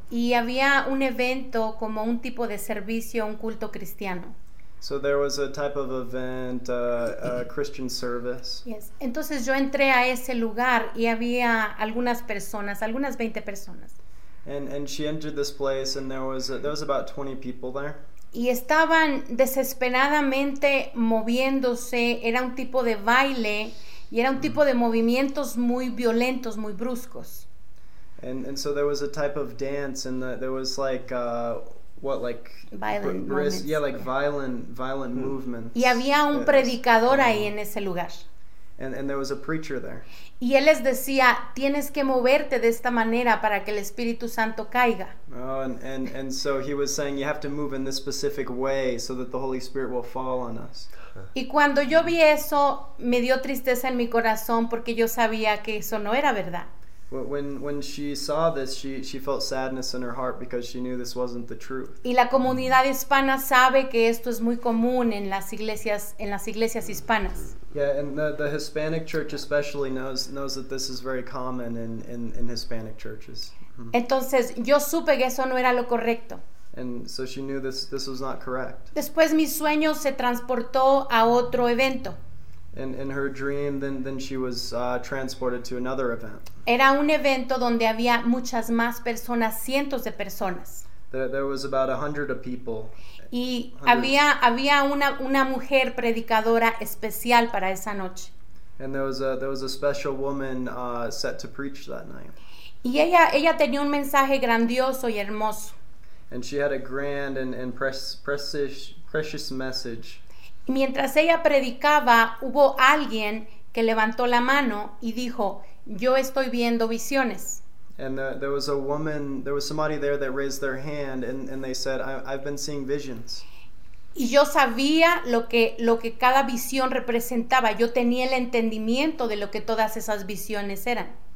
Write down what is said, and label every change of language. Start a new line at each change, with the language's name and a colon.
Spanish: Y había un evento como un tipo de servicio, un culto cristiano.
English: So there was a type of event, a Christian service. Yes.
Spanish: Entonces yo entré a ese lugar y había algunas personas, algunas 20 personas.
English: And she entered this place and there was about 20 people there.
Spanish: Y estaban desesperadamente moviéndose, era un tipo de baile y era un mm-hmm. tipo de movimientos muy violentos, muy bruscos.
English: And so there was a type of dance and there was like what like violent yeah like violent mm-hmm. movements.
Spanish: Y había un predicador ahí en ese lugar.
English: And there was a preacher there.
Spanish: Y él les decía, tienes que moverte de esta manera para que el Espíritu Santo caiga.
English: Oh, and so he was saying you have to move in this specific way so that the Holy Spirit will fall on us.
Spanish: Y cuando yo vi eso, me dio tristeza en mi corazón porque yo sabía que eso no era verdad.
English: When she saw this, she felt sadness in her heart because she knew this wasn't the truth.
Spanish: Y la comunidad hispana sabe que esto es muy común en las iglesias hispanas.
English: Yeah, and the Hispanic church especially knows that this is very common in Hispanic churches.
Spanish: Entonces, yo supe que eso no era lo correcto.
English: And so she knew this was not correct.
Spanish: Después, mi sueño se transportó a otro evento.
English: In her dream, then she was transported to another event.
Spanish: Era un evento donde había muchas más personas, cientos de personas.
English: There was about 100 of people.
Spanish: Y había una mujer predicadora especial para esa noche.
English: And there was a special woman set to preach that night.
Spanish: Y ella tenía un mensaje grandioso y hermoso.
English: And she had a grand and precious message.
Spanish: Mientras ella predicaba, hubo alguien que levantó la mano y dijo, yo estoy viendo visiones.
English: And there was a woman, there was somebody there that raised their hand and they said, I've been seeing visions.
Spanish: Y yo sabía lo que cada visión representaba. Yo tenía el entendimiento de lo que todas esas visiones eran.